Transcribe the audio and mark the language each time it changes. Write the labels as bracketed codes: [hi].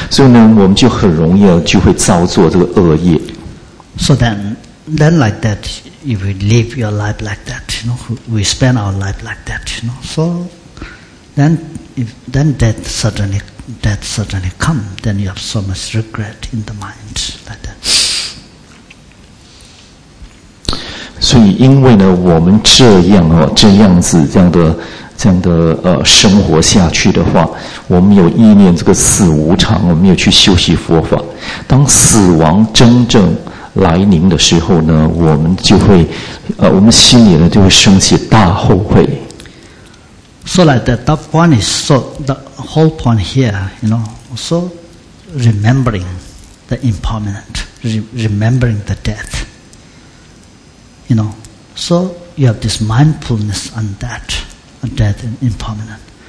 [zh] 因为呢，我们不是时时刻刻都意念这个死无常，这死无常还没有成为我们时时刻刻的意念的东西，所以呢，我们就很容易就会造作这个恶业。 [en] So then like that, if we live your life like that, you know, we spend our life like that, you know. So then death suddenly come, then you have so much regret in the mind like that. [zh] 所以因为呢，我们这样生活下去的话，我们有意念这个死无常，我们有去修习佛法，当死亡真正 来临的时候呢，我们就会，我们心里呢就会升起大后悔。 [en] So like that, the point is, so the whole point here, you know, so remembering the impermanent, remembering the death. You know, so you have this mindfulness on that, on death and impermanent.